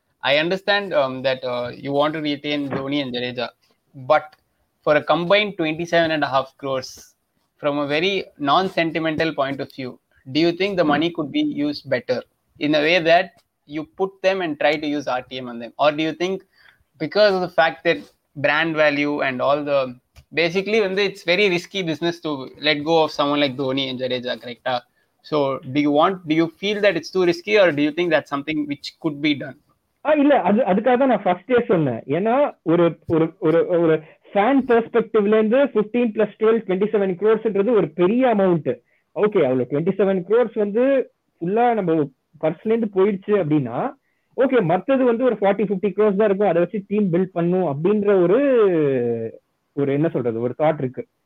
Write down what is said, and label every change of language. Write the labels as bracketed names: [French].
[English] I understand that you want to retain Dhoni and Jadeja, but for a combined 27.5 crores from a very non sentimental point of view, do you think the money could be used better in a way that you put them and try to use RTM on them? Or do you think because of the fact that brand value and all the... Basically, it's very risky business to let go of someone like Dhoni and Jadeja, correct? So, do you feel that it's too risky, or do you think that's something which could be done? [Tamil] இல்ல அது அதுக்காக தான் நான் first year சொன்னேன். ஏன்னா ஒரு ஒரு fan பெர்ஸ்பெக்டிவ்ல இருந்து 15 + 12 = 27 crores ஒரு பெரிய அமௌண்ட். ஓகே, அவ்வளவு 27 crores வந்து ஃபுல்லா நம்ம பர்ஸ்ல இருந்து போயிடுச்சு அப்படின்னா ஓகே, மற்றது வந்து ஒரு 40-50 crores தான் இருக்கும், அதை வச்சு டீம் பில்ட் பண்ணும் அப்படின்ற ஒரு ஒரு என்ன சொல்றது ஒரு தாட் இருக்கு.